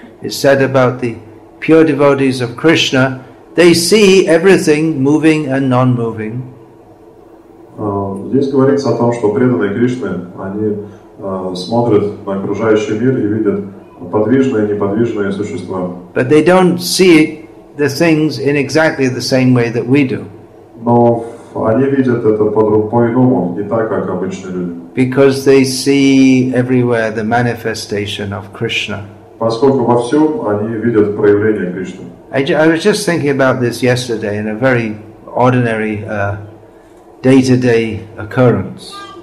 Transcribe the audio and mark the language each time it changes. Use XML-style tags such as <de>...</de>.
<en>It said about the pure devotees of Krishna, they see everything moving and non-moving.</en> <ru>Здесь говорится о том, что преданные Кришны, они смотрят на окружающий мир и видят подвижные и неподвижные существа.</ru> <en>But they don't see the things in exactly the same way that we do.</en> <ru>Но они видят это по-иному, не так, как обычные люди.</ru> <en>Because they see everywhere the manifestation of Krishna.</en> <ru>Поскольку во всем они видят проявление Кришны.</ru> <en>I was just thinking about this yesterday in a very ordinary day-to-day occurrence.</en>